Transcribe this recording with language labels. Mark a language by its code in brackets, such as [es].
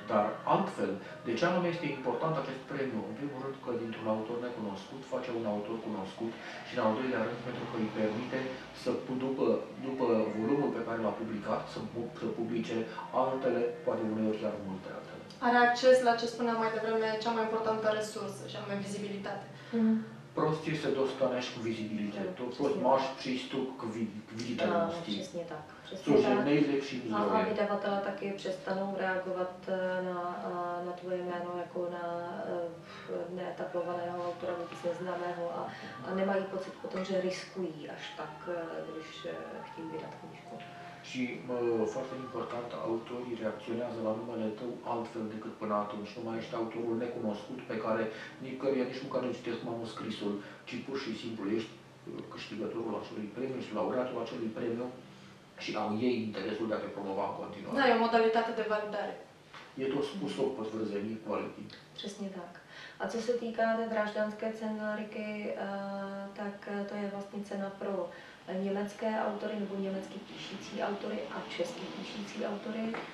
[ro] Dar altfel, de ce anume este important acest premiu? În primul rând că dintr-un autor necunoscut face un autor cunoscut și în al doilea rând pentru că îi permite să, după volumul pe care l-a publicat, să publice altele, poate uneori chiar multe altele. Are acces la ce spuneam mai devreme, cea mai importantă resursă, și anume vizibilitate. Prost este dostanești cu vizibilitate. [cs] Tu prost máš přístup k viditelnosti. Přesně tak. Což je nejlepší vzorek. A vydavatele taky přestanou reagovat na tvoje jméno jako na neetablovaného autora, vůbec neznámého a nemají pocit po tom, že riskují až tak, když chtějí vydat knížku. [ro] Și foarte important, autorii reacționează la numele tău altfel decât până atunci. Nu mai ești autorul necunoscut pe care nici măcar nu citesc manuscrisul, ci pur și simplu ești câștigătorul acelui premiu și laureatul acelui premiu și au ei interesul de a te promova în continuare. Da, e o modalitate de validare. [cs] Je to způsob potvrzení kvality. Přesně tak. A co se týká té drážďanské cenáriky, tak to je vlastně cena pro německé autory nebo německy píšící autory a česky píšící autory.